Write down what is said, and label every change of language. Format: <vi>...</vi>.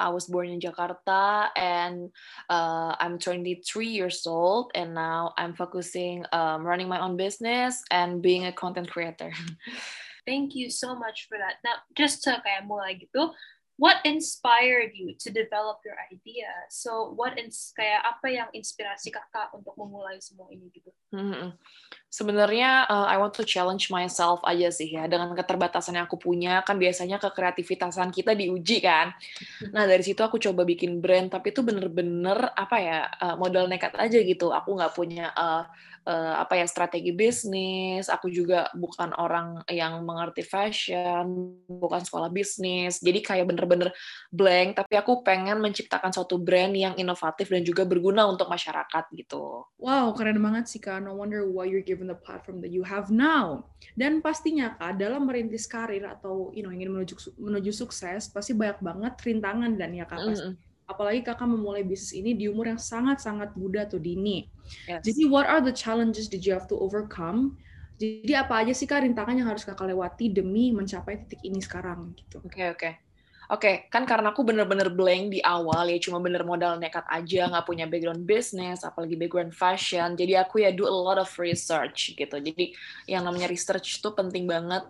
<en>I was born in Jakarta and I'm 23 years old, and now I'm focusing running my own business and being a content creator. Thank you so much for that. Now, just to</en> <id>kayak mulai gitu,</id> <en>what inspired you to develop your idea?</en> <id>So, apa yang inspirasi kakak untuk memulai semua ini gitu? Sebenarnya,</id> <en>I want to challenge myself</en> <id>aja sih ya, dengan keterbatasan yang aku punya, kan biasanya kekreativitasan kita diuji kan. Nah, dari situ aku coba bikin brand, tapi itu bener-bener, apa ya, modal nekat aja gitu. Aku nggak punya, apa ya, strategi bisnis, aku juga bukan orang yang mengerti fashion, bukan sekolah bisnis, jadi kayak bener-bener blank, tapi aku pengen menciptakan suatu brand yang inovatif dan juga berguna untuk masyarakat gitu. Wow, keren banget sih, Kak.</id> <en>No wonder why you're given the platform that you have now.</en> <id>Dan pastinya, Kak, dalam merintis karir atau,</id> <en>you know,</en> <id>ingin menuju sukses, pasti banyak banget rintangan dan ya, Kak. Apalagi kakak memulai bisnis ini di umur yang sangat-sangat muda atau dini. Yes.</id> <en>Jadi, what are the challenges did you have to overcome?</en> <id>Jadi, apa aja sih, Kak, rintangan yang harus kakak lewati demi mencapai titik ini sekarang? Gitu. Oke. Kan karena aku bener-bener blank di awal, ya cuma bener modal nekat aja, nggak punya background bisnis, apalagi background fashion. Jadi aku ya</id> <en>do a lot of research</en> <id>gitu. Jadi yang namanya research itu penting banget.</id>